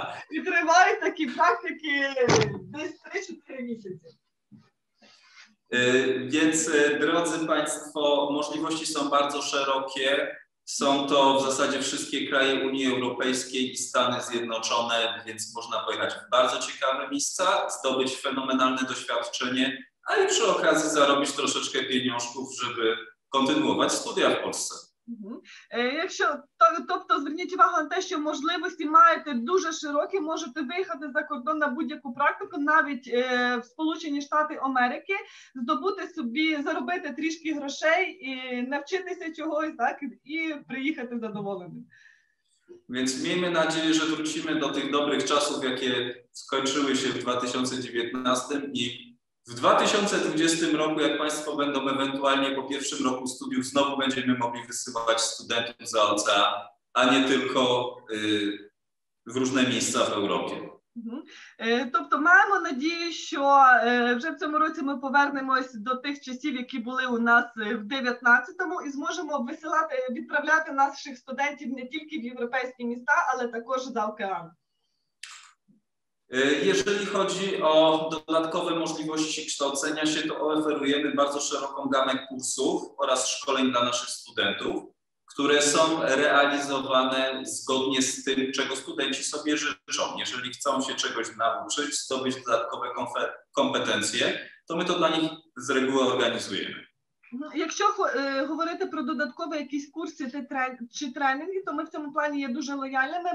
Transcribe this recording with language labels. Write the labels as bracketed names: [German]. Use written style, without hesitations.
[Ukrainian] І тривають такі практики десь 3-4 місяці. [Polish] Więc, drodzy państwo, możliwości są bardzo szerokie. Są to w zasadzie wszystkie kraje Unii Europejskiej i Stany Zjednoczone, więc można pojechać w bardzo ciekawe miejsca, zdobyć fenomenalne doświadczenie, a i przy okazji zarobić troszeczkę pieniążków, żeby kontynuować studia w Polsce. [Ukrainian] Якщо, тобто зверніть увагу на те, що можливості маєте дуже широкі, можете виїхати за кордон на будь-яку практику, навіть в Сполучені Штати Америки, здобути собі, заробити трішки грошей і навчитися чогось, так, і приїхати задоволеним. [Polish] Więc miejmy nadzieję, że wrócimy do tych dobrych czasów, jakie skończyły się w 2019 i w 2020 roku, jak Państwo będą ewentualnie po pierwszym roku studiów, znowu będziemy mogli wysyłać studentów za ocean, a nie tylko w różne miejsca w Europie. [Ukrainian] Тобто маємо надію, що вже в цьому році ми повернемось до тих часів, які були у нас в 19-му, і зможемо висилати, відправляти наших студентів не тільки в європейські міста, але також за океан. [Polish] Jeżeli chodzi o dodatkowe możliwości kształcenia się, to oferujemy bardzo szeroką gamę kursów oraz szkoleń dla naszych studentów, które są realizowane zgodnie z tym, czego studenci sobie życzą. Jeżeli chcą się czegoś nauczyć, zdobyć dodatkowe kompetencje, to my to dla nich z reguły organizujemy. [Ukrainian] Якщо говорити про додаткові якісь курси чи тренінги, то ми в цьому плані є дуже лояльними.